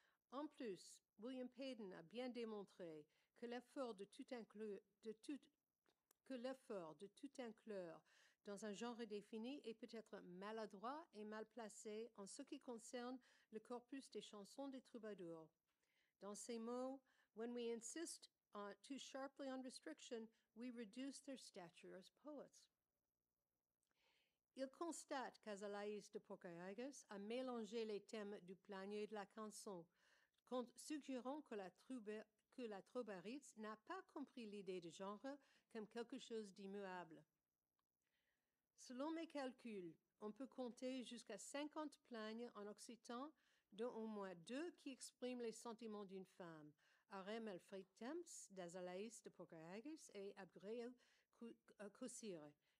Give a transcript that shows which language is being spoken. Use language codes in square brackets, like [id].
[fr] En plus, William Payden a bien démontré que l'effort de tout inclure dans un genre défini est peut-être maladroit et mal placé en ce qui concerne le corpus des chansons des troubadours. Dans ces mots, [en] « When we insist too sharply on restriction, we reduce their stature as poets ». [fr] Il constate qu'Azalaïs de Porcaraigas a mélangé les thèmes du plagne et de la canson, suggérant que la Trobarits n'a pas compris l'idée de genre comme quelque chose d'immuable. Selon mes calculs, on peut compter jusqu'à 50 plagnes en occitan, dont au moins deux qui expriment les sentiments d'une femme, Arem Alfred Temps d'Azalaïs de Porcaraigas et Abgrail Kossir,